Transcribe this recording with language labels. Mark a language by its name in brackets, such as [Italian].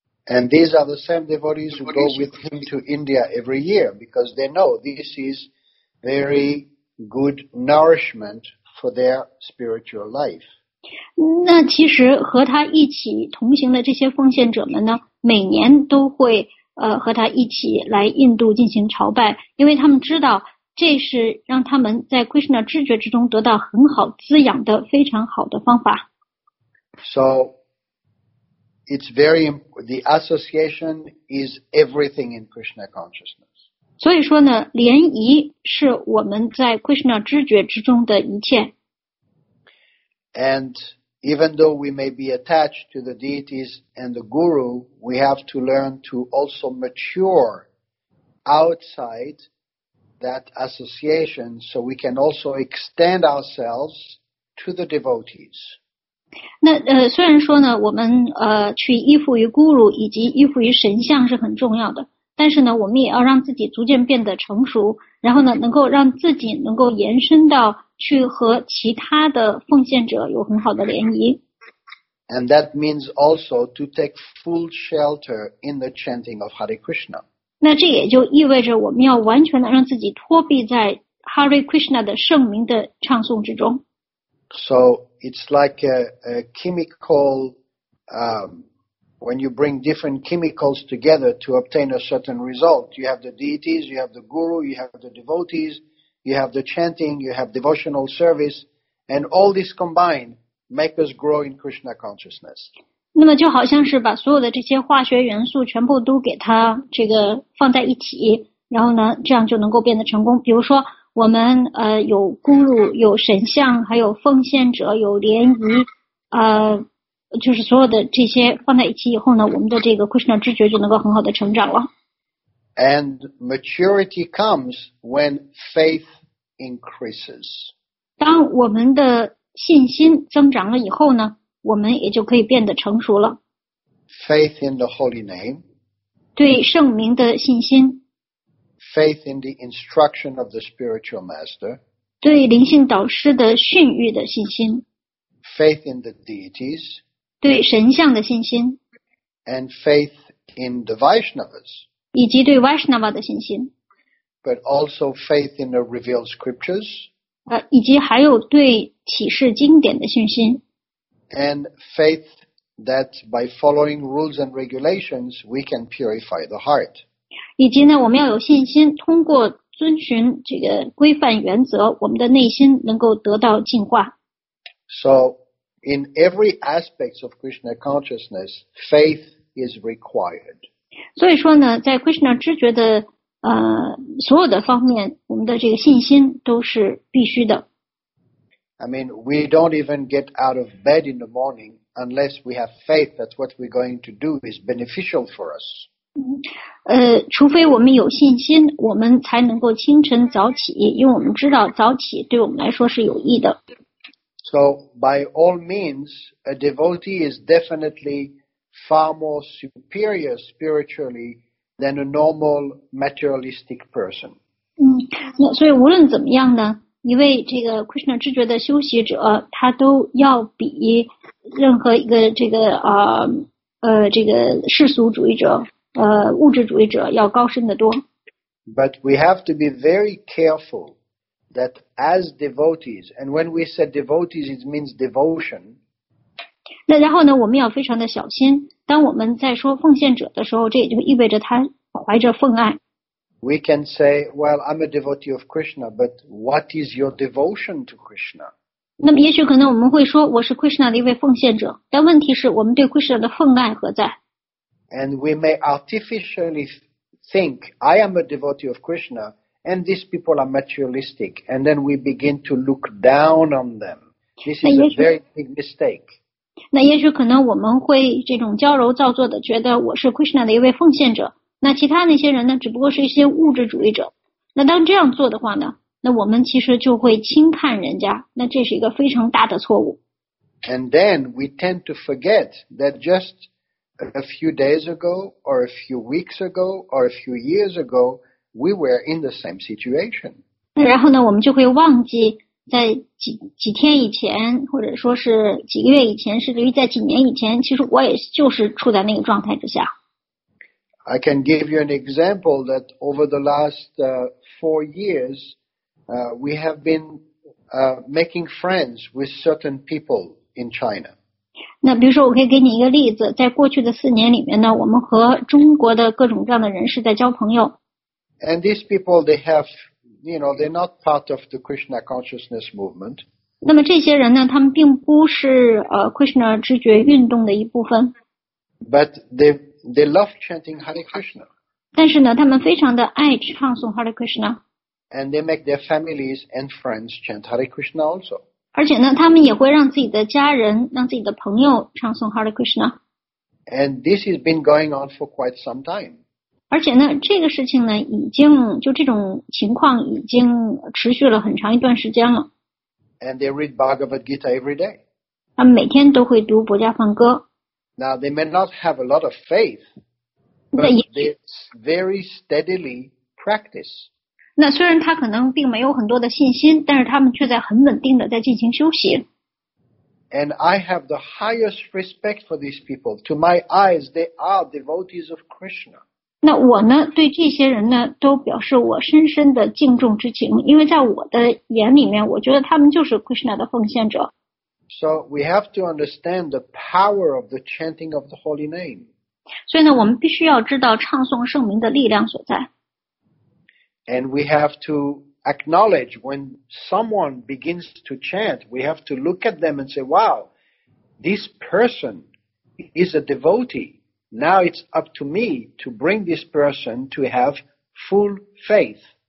[English] And these are the same devotees who go with him to India every year because they know this is very good nourishment for their spiritual life. [Chinese] 那其实和他一起同行的这些奉献者们呢，每年都会和他一起来印度进行朝拜，因为他们知道这是让他们在 Krishna 知觉之中得到很好滋养的非常好的方法。 [English] So,It's very, the association is everything in Krishna consciousness. [Chinese] 所以说呢，联谊是我们在 Krishna 知觉之中的一切。 [English] And even though we may be attached to the deities and the guru, we have to learn to also mature outside that association so we can also extend ourselves to the devotees. [Chinese] 那虽然说呢，我们去依附于 guru 以及依附于神像是很重要的，但是呢，我们也要让自己逐渐变得成熟，然后呢，能够让自己能够延伸到去和其他的奉献者有很好的联谊。 [English] And that means also to take full shelter in the chanting of Hare Krishna. [Chinese] 那这也就意味着我们要完全的让自己托庇在 Hare Krishna 的圣名的唱诵之中。 [English] So it's like a chemical, when you bring different chemicals together to obtain a certain result, you have the deities, you have the guru, you have the devotees, you have the chanting, you have devotional service, and all this combined make us grow in Krishna consciousness. [Chinese] 那么就好像是把所有的这些化学元素全部都给它这个放在一起，然后呢，这样就能够变得成功。比如说我们有咕噜，有神像，还有奉献者，有联谊，就是所有的这些放在一起以后呢，我们的这个 Krishna 知觉就能够很好的成长了。 [English] And maturity comes when faith increases. [Chinese] 当我们的信心增长了以后呢，我们也就可以变得成熟了。 [English] Faith in the holy name. [Chinese] 对圣名的信心。 [English] Faith in the instruction of the spiritual master. [Chinese] 对灵性导师的训谕的信心。 [English] Faith in the deities. [Chinese] 对神像的信心。 [English] And faith in the Vaishnavas. [Chinese] 以及对 Vaishnava 的信心。 [English] But also faith in the revealed scriptures. [Chinese] 以及还有对启示经典的信心。 [English] And faith that by following rules and regulations, we can purify the heart. [Chinese] 以及呢，我们要有信心，通过遵循这个规范原则，我们的内心能够得到净化。 [English] So, in every aspects of Krishna consciousness, faith is required. [Chinese] 所以说呢，在 Krishna 知觉的所有的方面，我们的这个信心都是必须的。 [English] I mean, we don't even get out of bed in the morning unless we have faith that what we're going to do is beneficial for us. [Chinese] 除非我们有信心，我们才能够清晨早起，因为我们知道早起对我们来说是有益的。 [English] So by all means, a devotee is definitely far more superior spiritually than a normal materialistic person. [Chinese] 所以无论怎么样呢，一位这个 Krishna 知觉的修习者，他都要比任何一个这个这个世俗主义者。物质主义者要高深得多。 [English] But we have to be very careful that as devotees, and when we say devotees, it means devotion. [Chinese] 那然后呢，我们要非常的小心。当我们在说奉献者的时候，这也就意味着他怀着奉爱。 [English] We can say, well, I'm a devotee of Krishna, but what is your devotion to Krishna? [Chinese] 那么也许可能我们会说，我是 Krishna 的一位奉献者，但问题是我们对 Krishna 的奉爱何在？ [English] And we may artificially think, I am a devotee of Krishna, and these people are materialistic, and then we begin to look down on them. This is a very big mistake. [Chinese] 那也许可能我们会这种矫揉造作的觉得我是 Krishna 的一位奉献者，那其他那些人呢，只不过是一些物质主义者。那当这样做的话呢，那我们其实就会轻看人家，那这是一个非常大的错误。 [English] And then we tend to forget that just a few days ago, or a few weeks ago, or a few years ago, we were in the same situation. [Chinese] 那然后呢，我们就会忘记在几天以前，或者说是几个月以前，甚至于在几年以前，其实我也就是处在那个状态之下。 [English] I can give you an example that over the last four years, we have been making friends with certain people in China. [Chinese] 那比如说我可以给你一个例子，在过去的四年里面呢，我们和中国的各种各样的人士在交朋友。 [English] And these people, they have, you know, they're not part of the Krishna consciousness movement. [Chinese] 那么这些人呢，他们并不是Krishna 知觉运动的一部分。 [English] But they love chanting Hare Krishna. [Chinese] 但是呢，他们非常的爱唱诵 Hare Krishna. [English] And they make their families and friends chant Hare Krishna also. [Chinese] 而且呢，他们也会让自己的家人、让自己的朋友唱诵 Hare Krishna. [English] And this has been going on for quite some time. [Chinese] 而且呢，这个事情呢，已经就这种情况已经持续了很长一段时间了。 [English] And they read Bhagavad Gita every day. [Chinese] 他们每天都会读博伽梵歌。 [English] Now they may not have a lot of faith, but they very steadily practice. [Chinese] 那虽然他可能并没有很多的信心，但是他们却在很稳定的在进行修习。 [English] And I have the highest respect for these people. To my eyes, they are devotees of Krishna. [Chinese] 那我呢，对这些人呢，都表示我深深的敬重之情，因为在我的眼里面，我觉得他们就是 Krishna 的奉献者。 [English] So we have to understand the power of the chanting of the holy name. [Chinese] 所以呢，我们必须要知道唱诵圣名的力量所在。 [English] And we have to acknowledge when someone begins to chant, we have to look at them and say, wow, this person is a devotee. Now it's up to me to bring this person to have full faith.